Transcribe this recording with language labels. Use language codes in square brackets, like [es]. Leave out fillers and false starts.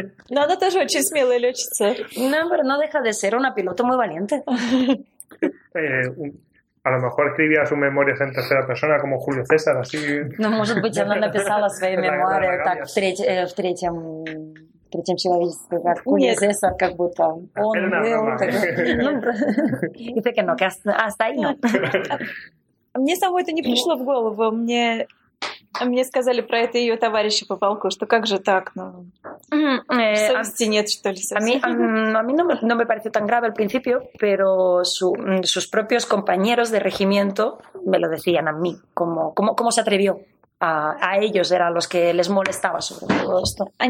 [ru] No, она тоже очень смелая лётчица. [es] No, pero no deja de ser una piloto muy valiente. A lo mejor escribía sus memorias en tercera persona, como Julio César, así... [ru] No, может быть, она написала свои мемуары так в третьем человечестве, как Julio César, как будто он был... [es] Dice que no, que hasta ahí no. [ru] Мне самой это не пришло в голову, мне сказали про это ее товарищи по полку, что как же так, ну... Совести нет, что ли, совсем. [es] A mí no me pareció tan grave al principio, pero sus propios compañeros de regimiento me lo decían a mí, cómo se atrevió a ellos eran los que les molestaba sobre todo esto.